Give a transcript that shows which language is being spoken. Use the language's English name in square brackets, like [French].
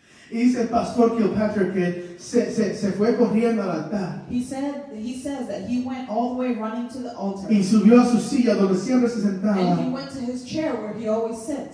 [Spanish] Y dice el pastor Kilpatrick que se fue corriendo al altar. [English] He says that he went all the way running to the altar. [Spanish] Y subió a su silla donde siempre se sentaba. [English] And he went to his chair where he always sits.